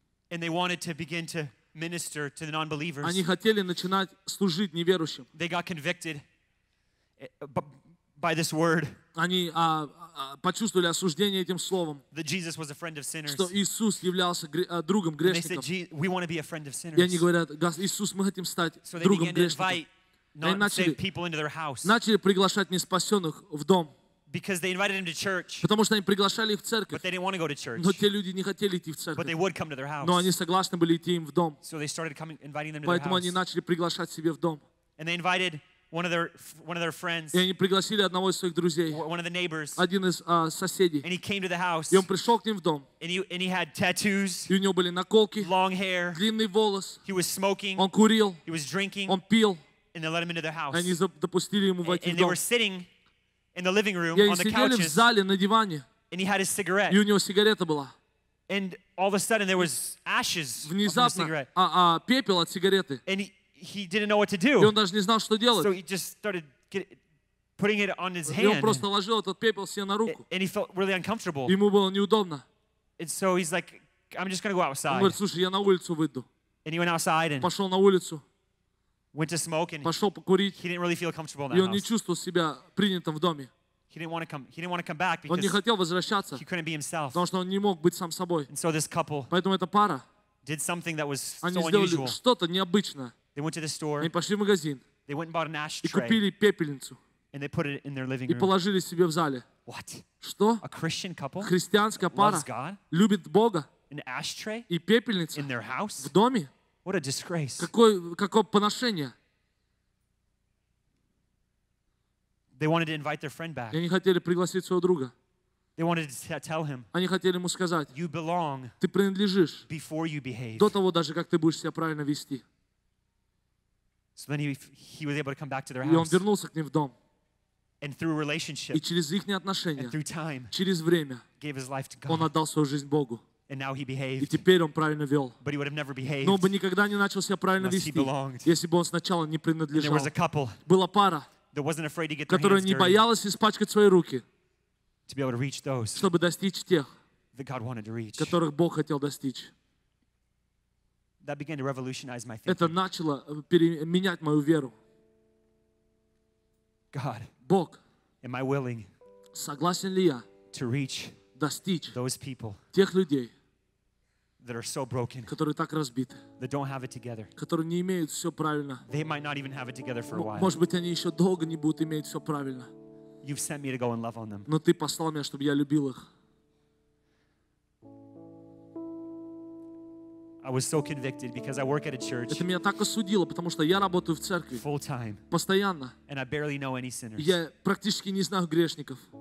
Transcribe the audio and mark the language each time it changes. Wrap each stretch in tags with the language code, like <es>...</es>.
<en>And they wanted to begin to minister to the non-believers.</en> <ru>Они хотели начинать служить неверующим.</ru> <en>They got convicted by this word.</en> <ru>Они почувствовали осуждение этим словом.</ru> <en>That Jesus was a friend of sinners.</en> <ru>Что Иисус являлся другом грешников.</ru> <en>And they said, "We want to be a friend of sinners."</en> <ru>И они говорят, Иисус, мы хотим стать другом грешников.</ru> <en>So they invited people into their house.</en> <ru>Начали приглашать неспасенных в дом.</ru> <en>Because they invited him to church.</en> <ru>Потому что они приглашали их в церковь.</ru> <en>But they didn't want to go to church.</en> <ru>Но те люди не хотели идти в церковь.</ru> <en>But they would come to their house.</en> <ru>Но они согласны были идти им в дом.</ru> <en>So they started coming, inviting them to</en> <ru>поэтому Поэтому они начали приглашать себе в дом.</ru> <en>And they invited one of their friends.</en> <ru>И они пригласили одного из своих друзей.</ru> <en>One of the neighbors.</en> <ru>Один из соседей.</ru> <en>And he came to the house.</en> <ru>И он пришел к ним в дом.</ru> <en>And he had tattoos.</en> <ru>И у него были наколки.</ru> <en>Long hair.</en> <ru>Длинный волос.</ru> <en>He was smoking.</en> <ru>Он курил.</ru> <en>He was drinking.</en> <ru>Он пил.</ru> <en>And they let him into their house.</en> <ru>И они допустили ему войти в дом.</ru> <en>And they were sitting in the living room, on the couches,</en> <ru>в зале, на диване,</ru> <en>and he had his cigarette.</en> <ru>И у него сигарета была.</ru> <en>And all of a sudden, there was ashes</en> <ru>внезапно,</ru> <en>from the cigarette.</en> <ru>Пепел от сигареты.</ru> <en>And he didn't know what to do.</en> <ru>И он даже не знал, что делать.</ru> <en>So he just started putting it on his hand.</en> <ru>И он просто ложил этот пепел себе на руку.</ru> <en>And he felt really uncomfortable.</en> <ru>Ему было неудобно.</ru> <en>And so he's like, I'm just gonna go outside.</en> <ru>Он говорит, слушай, я на улицу выйду.</ru> <en>And he went outside and</en> <ru>пошел на улицу.</ru> <en>Went to smoke and</en> <ru>пошел покурить.</ru> <en>He didn't really feel comfortable in that</en> <ru>и он не чувствовал себя принятым в доме.</ru> <en>He didn't want to come back because</en> <ru>он не хотел возвращаться,</ru> <en>he couldn't be himself.</en> <ru>Потому что он не мог быть сам собой.</ru> <en>And so this couple</en> <ru>поэтому эта пара</ru> <en>did something that was so</en> <ru>они сделали</ru> <en>unusual.</en> <ru>Что-то необычное.</ru> <en>They went to the store,</en> <ru>они пошли в магазин</ru> <en>they went and bought an ashtray,</en> <ru>и купили пепельницу</ru> <en>and they put it in their living room.</en> <ru>И положили себе в зале.</ru> <en>What?</en> <ru>Что?</ru> <en>A Christian couple</en> <ru>христианская пара</ru> <en>loves God,</en> <ru>любит Бога</ru> <en>an ashtray,</en> <ru>и пепельница</ru> <en>in their house?</en> <ru>В доме?</ru> <en>What a disgrace.</en> <ru>Какое поношение.</ru> <en>They wanted to invite their friend back.</en> <ru>Они хотели пригласить своего друга.</ru> <en>They wanted to tell him.</en> <ru>Они хотели ему сказать.</ru> <en>You belong.</en> <ru>Ты принадлежишь.</ru> <en>Before you behave.</en> <ru>До того даже как ты будешь себя правильно вести.</ru> <en>So then he was able to come back to their house.</en> <ru>И он вернулся к ним в дом.</ru> <en>And through relationship.</en> <ru>И через их отношения.</ru> <en>And through time.</en> <ru>Через время.</ru> <en>Gave his life to God.</en> <ru>Он отдал свою жизнь Богу.</ru> <en>And now he behaved.</en> <ru>И теперь он правильно вел.</ru> <en>But he would have never behaved.</en> <ru>Но он бы никогда не начал себя правильно вести, если бы он сначала не принадлежал.</ru> <en>And there was a couple.</en> <ru>Была пара,</ru> <en>that wasn't afraid to get</en> <ru>Которая не боялась испачкать свои руки.</ru> <en>To be able to reach those.</en> <ru>Чтобы достичь тех,</ru> <en>that God wanted to reach.</en> <ru>Которых Бог хотел достичь.</ru> <en>That began to revolutionize my thinking.</en> <ru>Это начало менять мою веру.</ru> <en>God.</en> <ru>Бог.</ru> <en>Am I willing?</en> <ru>Согласен ли я?</ru> <en>To reach.</en> <ru>Достичь</ru> <en>those people</en> <ru>тех людей,</ru> <en>that are so broken,</en> <ru>которые так разбиты,</ru> <en>that don't have it together,</en> <ru>которые не имеют все правильно.</ru> <en>They might not even have it together for a while.</en> <ru>Может быть, они еще долго не будут иметь все правильно.</ru> <en>You've sent me to go and love on them.</en> <ru>Но ты послал меня, чтобы я любил их.</ru> <en>I was so convicted because I work at a church.</en> <ru>Это меня так осудило, потому что я работаю в церкви.</ru> <en>Full time.</en> <ru>Постоянно.</ru> <en>And I barely know any sinners.</en> <ru>Я практически не знаю грешников.</ru>